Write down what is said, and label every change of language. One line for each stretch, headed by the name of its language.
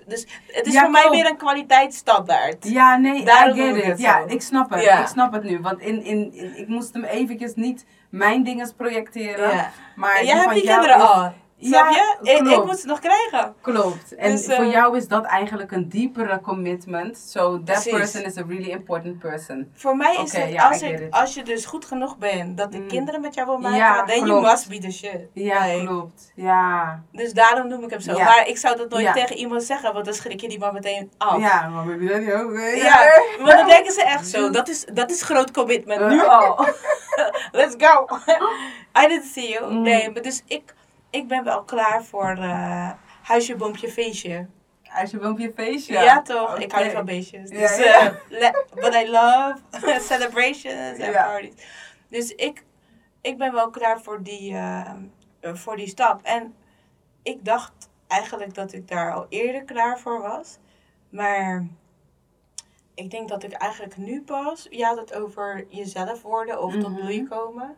Dutch: Dus het is voor mij weer een kwaliteitsstandaard. Ja, nee, daarom
English: I get it.
Dutch: Ja, ik snap het. Ja. Ik snap het nu. Want ik moest hem eventjes niet mijn dinges projecteren. Ja. Maar jij hebt die kinderen al. Snap je? Klopt. Ik moet ze nog krijgen. Klopt. En dus, voor jou is dat eigenlijk een diepere commitment.
English: So that person is a really important person.
Dutch: Voor mij is als je dus goed genoeg bent dat de kinderen met jou wil maken,
English: then you must be the shit.
Dutch: Ja, klopt. Ja. Dus daarom noem ik hem zo. Ja. Maar ik zou dat nooit tegen iemand zeggen, want dan schrik je die man meteen af. Ja, maar heb je dat niet ook? Ja, maar dan denken ze echt zo. Dat is groot commitment. Nu al.
English: Let's go. I didn't see you.
Dutch: Mm. Nee, maar dus ik ben wel klaar voor huisje, boompje, feestje. Huisje, boompje, feestje? Ja, toch? Okay. Ik hou niet van beestjes. Dus,
English: but I love celebrations and parties.
Dutch: Dus ik ben wel klaar voor die stap. En ik dacht eigenlijk dat ik daar al eerder klaar voor was. Maar ik denk dat ik eigenlijk nu pas... Je had het over jezelf worden of tot bloei komen...